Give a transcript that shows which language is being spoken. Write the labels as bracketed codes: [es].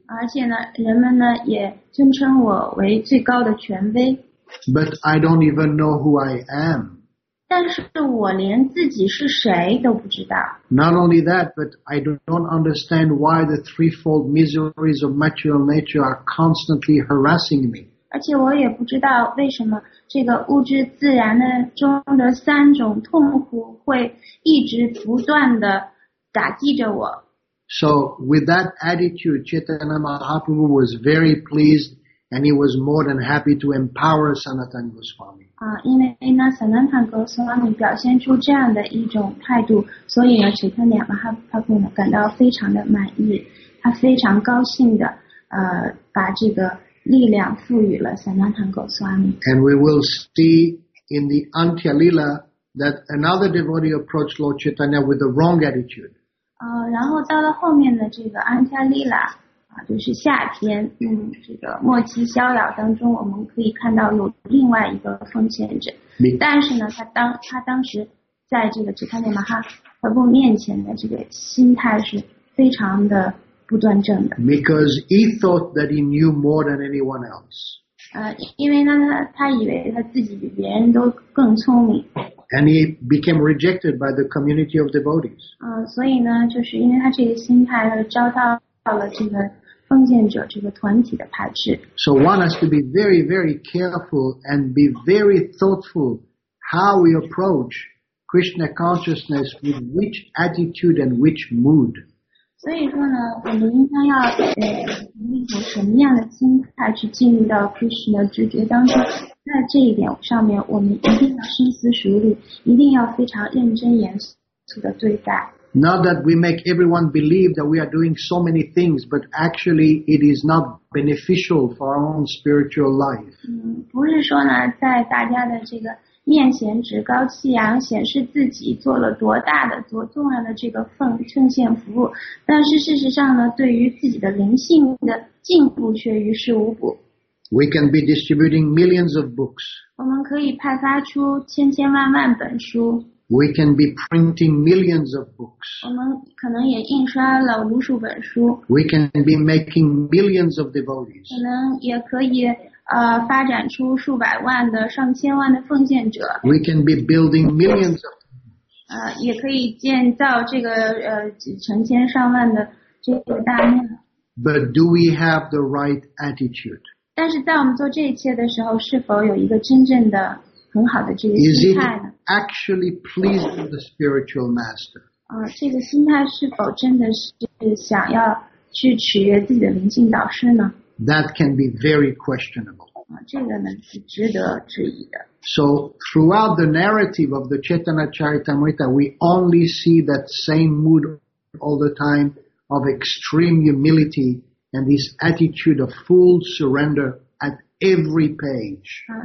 [zh] 而且呢，人们呢也尊称我为最高的权威。 [en] But I don't even know who I am. [zh] 但是我连自己是谁都不知道。 [en] Not only that, but I don't understand why the threefold miseries of material nature are constantly harassing me. [zh] 而且我也不知道为什么这个物质自然的中的三种痛苦会一直不断的打击着我。 [en] So with that attitude, Chaitanya Mahaprabhu was very pleased. And he was more than happy to empower Sanatan Goswami. [zh] 因为呢 ，Sanatan Goswami 表现出这样的一种态度，所以呢 ，Chaitanya Mahaprabhu 呢感到非常的满意，他非常高兴的，把这个力量赋予了 Sanatan Goswami. [en] And we will see in the Antya Lila that another devotee approached Lord Chaitanya with the wrong attitude. [zh] 然后到了后面的这个 Antya Lila。就是夏天，这个末期逍遥当中，我们可以看到有另外一个奉献者。但是呢，他当时在这个Chaitanya Mahaprabhu面前的这个心态是非常的不端正的。 [en] Because he thought that he knew more than anyone else. [zh] 因为呢，他以为他自己比别人都更聪明。 [en] And he became rejected by the community of devotees. [zh] 所以呢，就是因为他这个心态而遭到。 [en] So one has to be very, very careful and be very thoughtful how we approach Krishna consciousness with which attitude and which mood. [zh] 所以说呢，我们应当要以一种什么样的心态去进入到 Krishna 直觉当中？在这一点上面，我们一定要深思熟虑，一定要非常认真严肃的对待。 [en] Not that we make everyone believe that we are doing so many things, but actually it is not beneficial for our own spiritual life. [zh] 不是说呢，在大家的这个面前趾高气扬，显示自己做了多大的、多重要的这个奉献服务，但是事实上呢，对于自己的灵性的进步却于事无补。 [en] We can be distributing millions of books. [zh] 我们可以派发出千千万万本书。 [en] We can be printing millions of books. [zh] 我们可能也印刷了无数本书。 [en] We can be making millions of devotees. [zh] 可能也可以发展出数百万的、上千万的奉献者。 [en] We can be building millions of. [zh] 也可以建造这个成千上万的这个大庙。 [en] But do we have the right attitude? [zh] 但是在我们做这一切的时候，是否有一个真正的？很好的这个心态呢 [en] Is it actually pleased with the spiritual master? [zh] 这个心态是否真的是想要去取悦自己的灵性导师呢 [en] That can be very questionable. [zh] 这个呢是值得质疑的 [en] So throughout the narrative of the Chaitanya Charitamrita, we only see that same mood all the time of extreme humility and this attitude of full surrender at every page.